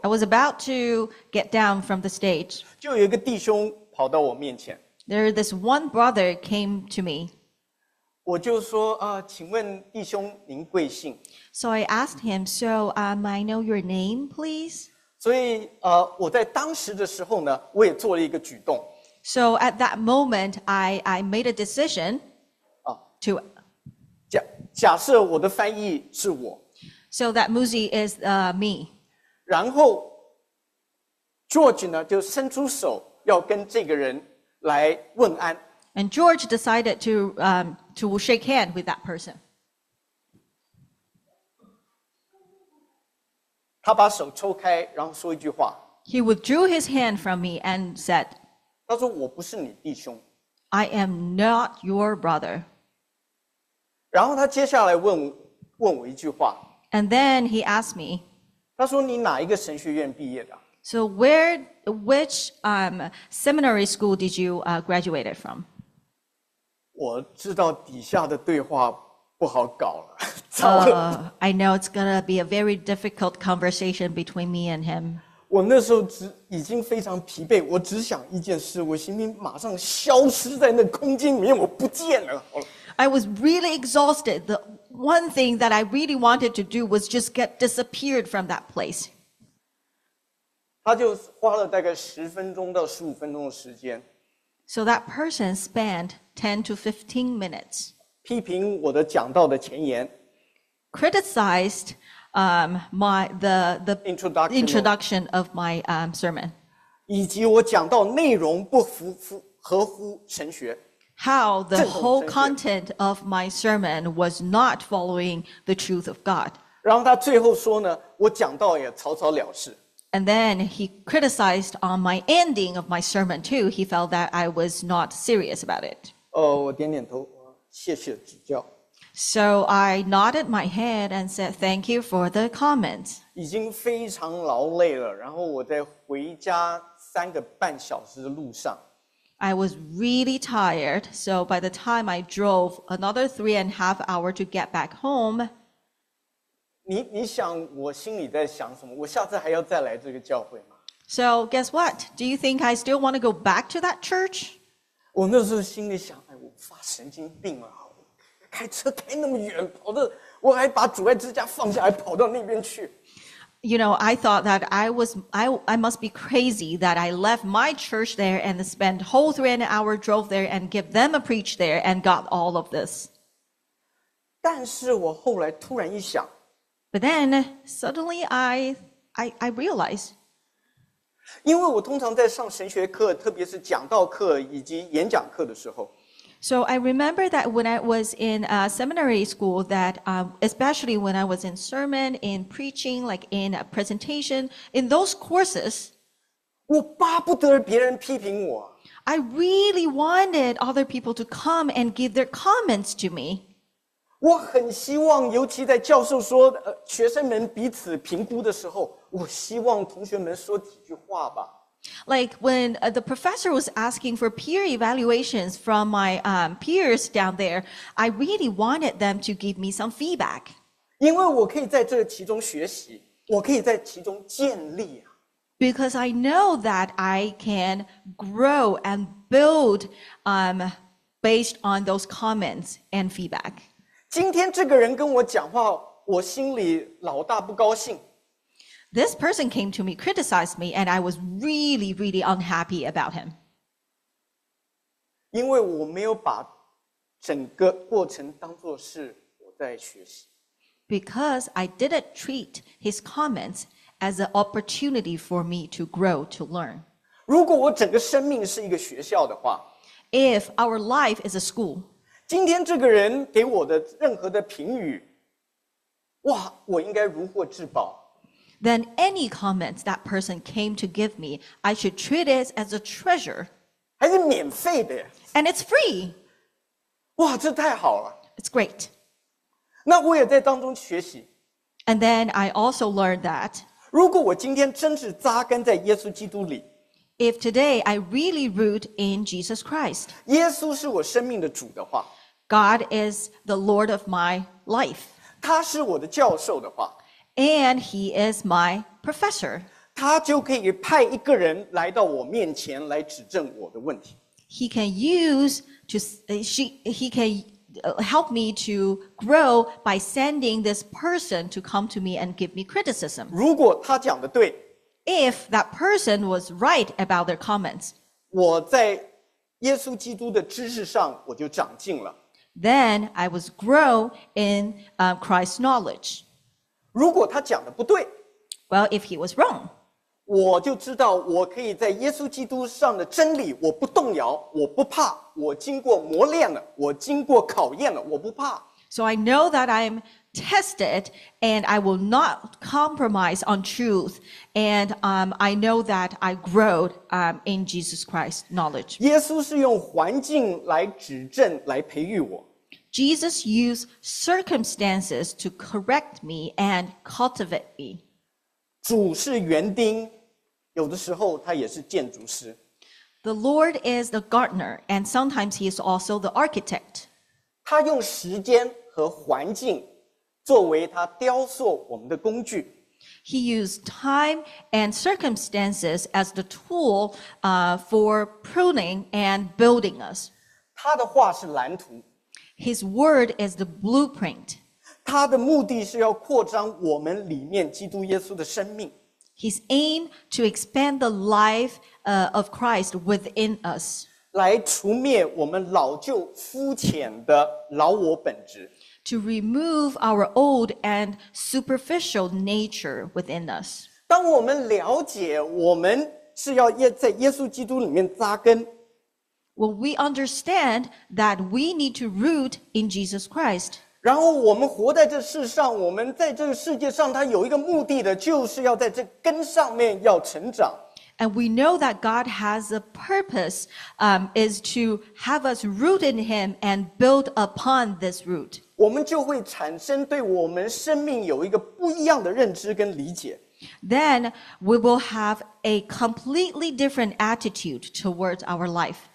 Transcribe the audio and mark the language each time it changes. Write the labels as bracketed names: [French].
[English] I was about to get down from the stage [Chinese] 就有一个弟兄跑到我面前 [English] There this one brother came to me [Chinese] 我就说请问弟兄您贵姓 [English] So I asked him So may I know your name please [Chinese] 所以我在当时的时候呢我也做了一个举动 [English] So at that moment I made a decision to [Chinese] 假设我的翻译是我 [English] So that Muzi is me [Chinese] 然后 George 呢就伸出手要跟这个人来问安 [English] And George decided to shake hand with that person [Chinese] 他把手抽开然后说一句话 [English] He withdrew his hand from me and said [Chinese] 他说我不是你弟兄 [English] I am not your brother [Chinese] 然后他接下来问我一句话。 [English] And then he asked me. [Chinese] 他说你哪一个神学院毕业的 [English] ？So where, which seminary school did you graduate from? [Chinese] 我知道底下的对话不好搞了，糟了。 [English] I know it's gonna be a very difficult conversation between me and him. [Chinese] 我那时候已经非常疲惫，我只想一件事，我心里马上消失在那空间里面，我不见了。 [English] I was really exhausted. The one thing that I really wanted to do was just get disappeared from that place. [Chinese] 他就花了大概10分钟到15分钟的时间。 [English] So that person spent 10 to 15 minutes. [Chinese] 批评我的讲道的前言。 [English] Criticized the introduction of my sermon. [Chinese] 以及我讲到内容不符合神学。 [English] How the whole content of my sermon was not following the truth of God. [Chinese] 然后他最后说呢，我讲到也草草了事。 [English] And then he criticized on my ending of my sermon too. He felt that I was not serious about it. [Chinese] 我点点头，谢谢指教。 [English] So I nodded my head and said, thank you for the comment. [Chinese] 已经非常劳累了，然后我在回家三个半小时的路上。 [English] I was really tired, so by the time I drove another 3.5 hours to get back home, [Chinese] 你想我心里在想什么？我下次还要再来这个教会吗？ [English] So guess what? Do you think I still want to go back to that church? [Chinese] 我那时候心里想，哎，我发神经病了，我开车开那么远，跑到，我还把主爱之家放下，还跑到那边去。 [English] You know, I thought that I must be crazy that I left my church there and spent whole 3.5 hours drove there and give them a preach there and got all of this. [Chinese] 但是我后来突然一想， [English] But then suddenly I realized. [Chinese] 因为我通常在上神学课，特别是讲道课以及演讲课的时候。 [English] So I remember that when I was in seminary school, that especially when I was in sermon, in preaching, like in a presentation, in those courses, [Chinese] 我巴不得别人批评我。 [English] I really wanted other people to come and give their comments to me. [Chinese] 我很希望，尤其在教授说学生们彼此评估的时候，我希望同学们说几句话吧。 [English] Like when the professor was asking for peer evaluations from my peers down there, I really wanted them to give me some feedback. [Chinese] 因为我可以在这其中学习，我可以在其中建立啊。 [English] Because I know that I can grow and build based on those comments and feedback. [Chinese] 今天这个人跟我讲话，我心里老大不高兴。 [English] This person came to me, criticized me, and I was really, really unhappy about him. [Chinese] 因为我没有把整个过程当作是我在学习。 [English] Because I didn't treat his comments as an opportunity for me to grow, to learn. [Chinese] 如果我整个生命是一个学校的话， [English] If our life is a school, [Chinese] 今天这个人给我的任何的评语，哇，我应该如获至宝。 [English] Then any comments that person came to give me, I should treat it as a treasure. [Chinese] 还是免费的。 [English] And it's free. [Chinese] 哇，这太好了。 [English] It's great. [Chinese] 那我也在当中学习。 [English] And then I also learned that. [Chinese] 如果我今天真是扎根在耶稣基督里。 [English] If today I really root in Jesus Christ. [Chinese] 耶稣是我生命的主的话。 [English] God is the Lord of my life. [Chinese] 他是我的教授的话。 [English] And he is my professor. [Chinese] 他就可以派一个人来到我面前来指正我的问题。 [English] He can help me to grow by sending this person to come to me and give me criticism. [Chinese] 如果他讲的对， [English] If that person was right about their comments, [Chinese] 我在耶稣基督的知识上我就长进了。 [English] Then I was grow in Christ's knowledge. [Chinese] 如果他讲的不对， [English] Well, if he was wrong, [Chinese] 我就知道我可以在耶稣基督上的真理，我不动摇，我不怕，我经过磨练了，我经过考验了，我不怕。 [English] So I know that I'm tested and I will not compromise on truth and I know that I grow in Jesus Christ's knowledge. [Chinese] 耶稣是用环境来指正，来培育我。 [English] Jesus used circumstances to correct me and cultivate me. [Chinese] 主是园丁，有的时候他也是建筑师。 [English] The Lord is the gardener, and sometimes he is also the architect. [Chinese] 他用时间和环境作为他雕塑我们的工具。 [English] He used time and circumstances as the tool for pruning and building us. [Chinese] 他的话是蓝图。 [English] His word is the blueprint. [Chinese] 他的目的是要扩张我们里面基督耶稣的生命。 [English] His aim to expand the life of Christ within us. [Chinese] 来除灭我们老旧肤浅的老我本质。 [English] to remove our old and superficial nature within us. [Chinese] 当我们了解我们是要在耶稣基督里面扎根。 [English] When we understand that we need to root in Jesus Christ, [Chinese] 然后我们活在这世上，我们在这个世界上，它有一个目的的，就是要在这根上面要成长。 [English] And we know that God has a purpose, is to have us root in Him and build upon this root. [Chinese] 我们就会产生对我们生命有一个不一样的认知跟理解。 [English] Then we will have a completely different attitude towards our life.